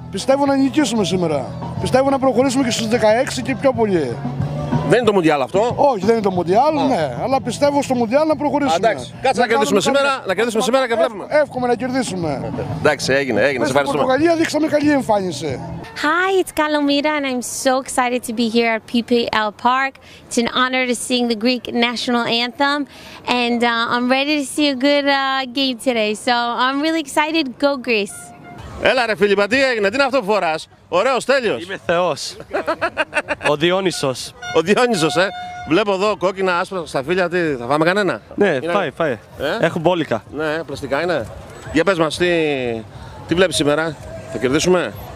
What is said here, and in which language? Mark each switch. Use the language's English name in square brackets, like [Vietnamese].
[Greek] Πιστεύω να νικήσουμε σήμερα. Πιστεύω να προχωρήσουμε και στους 16 και πιο πολύ. Δεν είναι το Μουντιάλ αυτό. Όχι, δεν είναι το Μουντιάλ, ναι. Αλλά πιστεύω στο Μουντιάλ να προχωρήσουμε. Αντάξει, κάτσε να κερδίσουμε σήμερα, να κερδίσουμε σήμερα και βλέπουμε. Εύχομαι να κερδίσουμε. Εντάξει, έγινε. Σε ευχαριστούμε. Στην Πορτογαλία δείξαμε καλή εμφάνιση. [English] Hi, it's Kalomira and I'm so excited to be here at PPL Park. It's an honor to sing the Greek national anthem and I'm ready to see a good game today. So I'm really excited. Go Greece. [Greek] Έλα ρε Φίλιππα, τι έγινε, τι είναι αυτό που φοράς, ωραίος, τέλειος. Είμαι θεός, ο Διόνυσος. Ο Διόνυσος, ε, βλέπω εδώ κόκκινα, άσπρα, στα φύλλα, τι, θα φάμε κανένα. Ναι, είναι... φάει, έχω μπόλικα. Ναι, πλαστικά είναι. Για πες μας, τι βλέπεις σήμερα, θα κερδίσουμε.